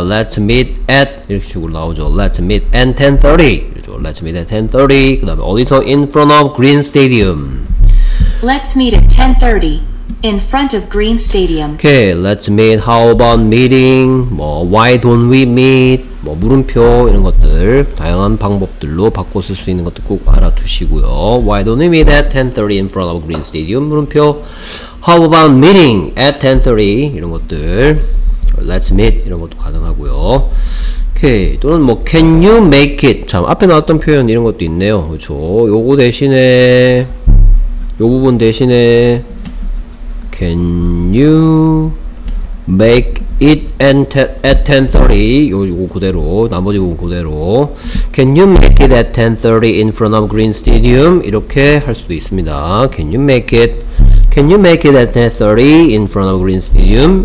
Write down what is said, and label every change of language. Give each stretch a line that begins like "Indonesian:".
English: Let's meet at
Korean: 이렇게 식으로 나오죠.
English: Let's meet at 10:30
Korean: 이렇죠.
English: Let's meet at 10:30
Korean: 그 다음에 어디서?
English: In front of Green Stadium Let's meet at 10:30 in front of Green Stadium. Okay, let's meet. How about meeting? 뭐 why don't we meet?
Korean: 뭐 물음표 이런 것들 다양한 방법들로 바꿔 쓸 수 있는 것도 꼭 알아두시고요.
English: Why don't we meet at 10:30 in front of Green Stadium?
Korean: 물음표.
English: How about meeting at 10:30?
Korean: 이런 것들.
English: Let's meet
Korean: 이런 것도 가능하고요.
English: Okay.
Korean: 또는 뭐
English: can you make it?
Korean: 참 앞에 나왔던 표현 이런 것도 있네요. 그렇죠. 요거 대신에 요 부분 대신에
English: can you make it at 10:30?
Korean: 요거 그대로 나머지 부분 그대로
English: can you make it at 10:30 in front of Green Stadium?
Korean: 이렇게 할 수도 있습니다.
English: Can you make it? Can you make it at 10:30 in front of Green Stadium?